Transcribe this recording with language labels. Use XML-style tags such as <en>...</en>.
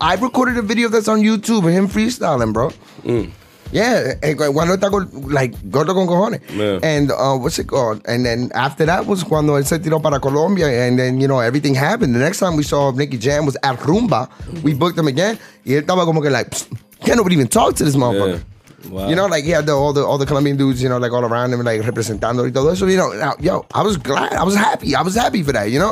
<en>I recorded a video that's on YouTube of him freestyling, bro. Mm. Yeah.</en> <es>Cuando estaba like gordo con cojones.</es> <en>And what's it called? And then after that was</en> <es>cuando él se tiró para Colombia.</es> <en>And then, you know, everything happened. The next time we saw Nicki Jam was at Rumba. Mm-hmm. We booked him again.</en> <es>Y él estaba como que</es> <en>like, can't nobody even talk to this motherfucker. Yeah. Wow. You know, like, yeah, all the Colombian dudes, you know, like, all around him, like,</en> <es>representando y todo eso.</es> <en>You know, now, yo, I was glad. I was happy for that, you know?</en>